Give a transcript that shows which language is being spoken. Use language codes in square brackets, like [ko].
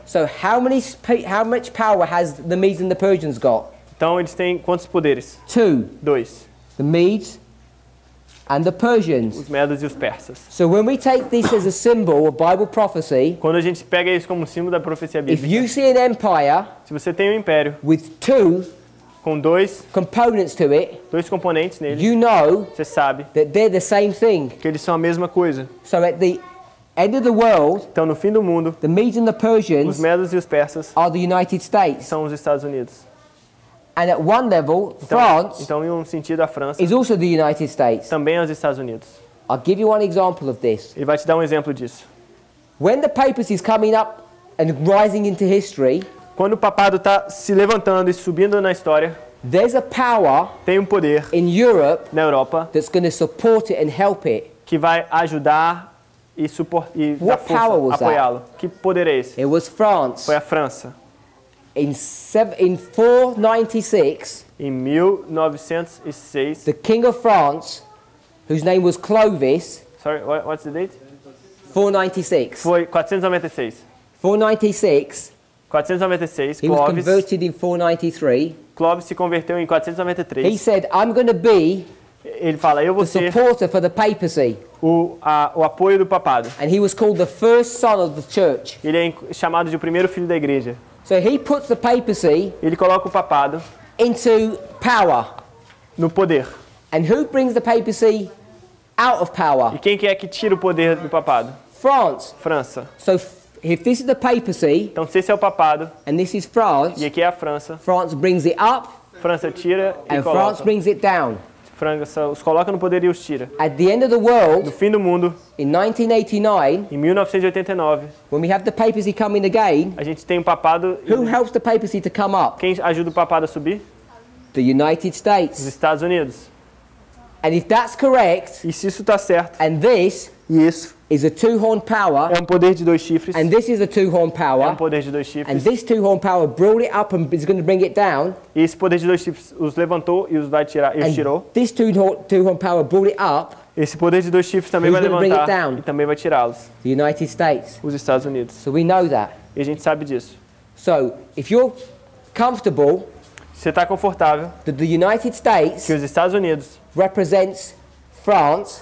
[en] So how much power has the Medes and the Persians got? [pt] Então eles têm quantos poderes? [en] Two. [pt] Dois. [en] The Medes and the Persians. [pt] Os Medos e os Persas. [en] So when we take this as a symbol of Bible prophecy, [pt] quando a gente pega isso como símbolo da profecia bíblica, [en] if you see an empire, [pt] se você tem um império, [en] with two, [pt] com dois [en] components to it, [pt] dois componentes nele, [en] you know, [pt] você sabe, [en] that they're the same thing, [pt] que eles são a mesma coisa. [en] So at the end of the world, [pt] então no fim do mundo, [en] the Medes and the Persians, [pt] os Medos e os Persas, [en] are the United States, [pt] são os Estados Unidos. [en] And at one level, [pt] então, [en] France, [pt] então em um sentido a França, [en] is also the United States, [pt] também é os Estados Unidos. [en] I'll give you one example of this. [pt] Ele vai te dar um exemplo disso. [en] When the papacy is coming up and rising into history, [pt] quando o papado está se levantando e subindo na história, [en] there's a power, [pt] tem um poder [en] in Europe, [pt] na Europa, [en] that's going to support it and help it, [pt] que vai ajudar e suportar e [en] what [pt] dar força, [en] power was [pt] apoiá-lo. [en] That? [pt] Que poder é esse? [en] It was France. [pt] Foi a França. [en] In 496, [pt] em 1906, [en] the King of France, whose name was Clovis, sorry, what's the date? 496. [pt] Foi 496. [en] 496. [pt] 496, [en] he [pt] Clovis, [en] was converted in 493. [pt] Clovis se converteu em 493. [en] He said, "I'm going to be." [pt] Ele fala, eu vou [en] the supporter for the papacy. [pt] O apoio do papado. [en] And he was called the first son of the church. [pt] Ele é chamado de o primeiro filho da igreja. [en] So he puts the papacy. [pt] Ele coloca o papado. [en] Into power. [pt] No poder. [en] And who brings the papacy out of power? [pt] E quem que é que tira o poder do papado? [en] France. [pt] França. [en] So if this is the papacy, [pt] então se esse é o papado, [en] and this is France, [pt] e aqui é a França, [en] France brings it up, [pt] França tira e [en] and [pt] coloca. [en] France brings it down. [pt] França os coloca no poder e os tira. [en] At the end of the world, [pt] no fim do mundo, [en] in 1989, [pt] em 1989, [en] when we have the papacy coming again, [pt] a gente tem o papado. [en] Who helps the papacy to come up? [pt] Quem ajuda o papado a subir? [en] The United States. [pt] Os Estados Unidos. [en] And if that's correct, [pt] e se isso está certo, [en] and this, [pt] e isso, [en] is a two-horned power. [pt] É um poder de dois chifres. [en] And this is a two-horned power. [pt] É um poder de dois chifres. [en] And this two-horned power brought it up and is going to bring it down. [pt] E esse poder de dois chifres os levantou e os vai tirar e os tirou. [en] And this two-horned power brought it up. [pt] Esse poder de dois chifres também vai levantar [en] bring it down? [pt] E também vai tirá-los. [en] The United States. [pt] Os Estados Unidos. [en] So we know that. [pt] E a gente sabe disso. [en] So, if you're comfortable, [pt] se você tá confortável, [en] that the United States, [pt] que os Estados Unidos, [en] represents France,